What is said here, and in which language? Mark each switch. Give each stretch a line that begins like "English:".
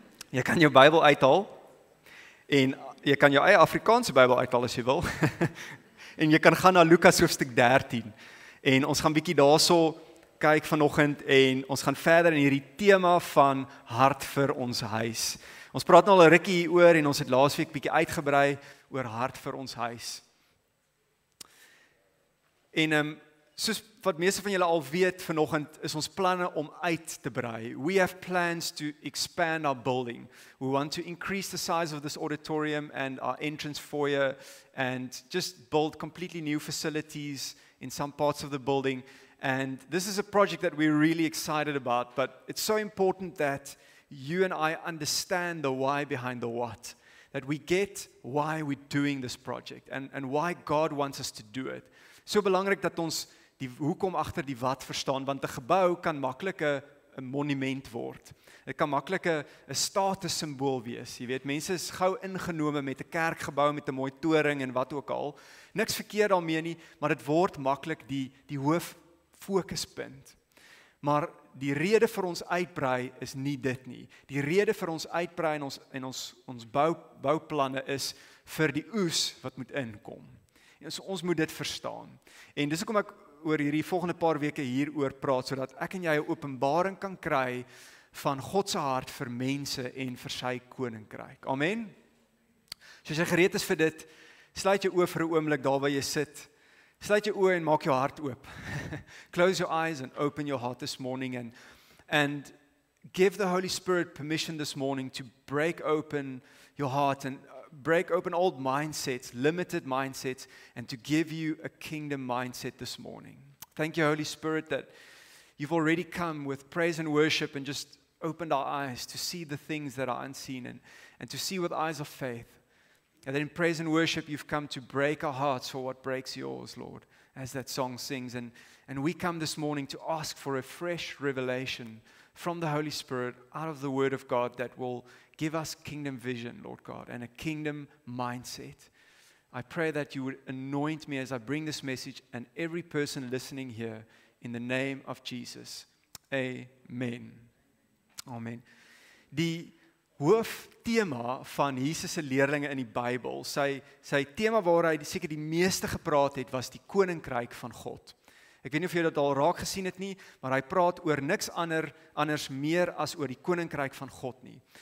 Afrikaans: Jy kan jou Bybel uithaal, en jy kan jou eie Afrikaanse Bybel uithaal as jy wil, en jy kan gaan na Lukas hoofstuk 13, en ons gaan bietjie daar so kyk vanochtend, en ons gaan verder in hierdie thema van hart vir ons huis. Ons praat nou al 'n rukkie oor, en ons het laas week bietjie uitgebrei oor hart vir ons huis. En soos wat meeste van julle al weet, vanochtend is ons planne om uit te brei.
English: We have plans to expand our building. We want to increase the size of this auditorium and our entrance foyer and just build completely new facilities in some parts of the building. And this is a project that we're really excited about, but it's so important that you and I understand the why behind the what. That we get why we're doing this project and why God wants us to do it.
Afrikaans: So belangrik dat ons die hoekom agter die wat verstaan, want 'n gebou kan maklik 'n monument word. Dit kan maklik 'n status simbool wees. Jy weet, mense is gou ingenome met 'n kerkgebou met 'n mooi toring en wat ook al. Niks verkeerd daarmee nie, maar dit word maklik die hoof fokuspunt. Maar die rede vir ons uitbrei is nie dit nie. Die rede vir ons uitbrei en ons bouplanne is vir die oes wat moet inkom. En so ons moet dit verstaan. En dis hoekom ek oor hierdie volgende paar weke hieroor praat, sodat ek en jy 'n openbaring kan kry van God se hart vir mense en vir sy koninkryk. Amen. So as jy gereed is vir dit, sluit jou oë vir 'n oomblik daar waar jy sit. Sluit jou oë en maak jou hart oop.
English: Close your eyes and open your heart this morning and give the Holy Spirit permission this morning to break open your heart and break open old mindsets, limited mindsets, and to give you a kingdom mindset this morning. Thank you, Holy Spirit, that you've already come with praise and worship and just opened our eyes to see the things that are unseen and to see with eyes of faith. And then in praise and worship, you've come to break our hearts for what breaks yours, Lord, as that song sings. And we come this morning to ask for a fresh revelation from the Holy Spirit out of the Word of God that will give us kingdom vision, Lord God, and a kingdom mindset. I pray that you would anoint me as I bring this message and every person listening here in the name of Jesus. Amen. Amen.
Afrikaans: Die hoofthema van Jesus se leerlinge in die Bybel, sy tema waar hy seker die meeste gepraat het, was die koninkryk van God. Ek weet nie of jy dit al raak gesien het nie, maar hy praat oor niks anders meer as oor die koninkryk van God nie.